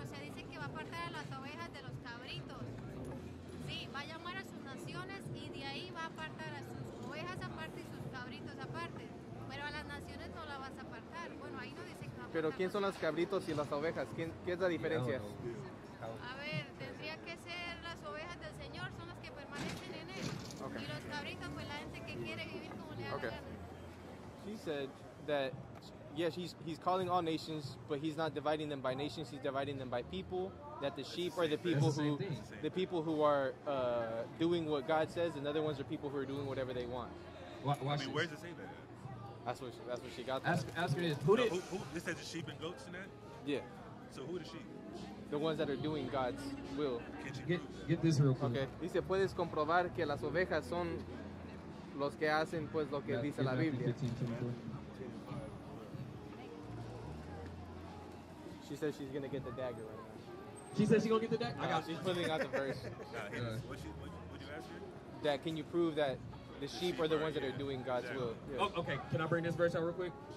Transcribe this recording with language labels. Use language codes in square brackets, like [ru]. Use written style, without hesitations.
[es] O sea, dice que va a apartar a las ovejas de los cabritos. Sí, va a llamar a sus naciones y de ahí va a apartar a sus ovejas aparte y sus cabritos aparte. Pero a las naciones no la vas a apartar. Bueno, ahí no dice que. Pero ¿quién son los cabritos y las ovejas? ¿Qué es la diferencia? A ver, tendría que ser las ovejas del Señor, son las que permanecen en él. [en] Okay. [es] Y los cabritos, pues la gente que quiere vivir como le da [en] okay. [es] la gana. [en] She said that, yes, he's calling all nations, but he's not dividing them by nations, he's dividing them by people. That the sheep are the people who are doing what God says, and the other ones are people who are doing whatever they want. Where does it say that? That's what she got. Ask her this. This says the sheep and goats in that? Yeah. So who are the sheep? The ones that are doing God's will. Get this real quick. Okay. [es] Dice, puedes comprobar que las ovejas son los que hacen pues lo que dice la Biblia. [en] She says she's going to get the dagger right now. She says she's going to get the deck? No, she's putting out the verse. What'd you ask her? That can you prove that the sheep are the ones that are doing God's will? Yes. Oh, okay, can I bring this verse out real quick?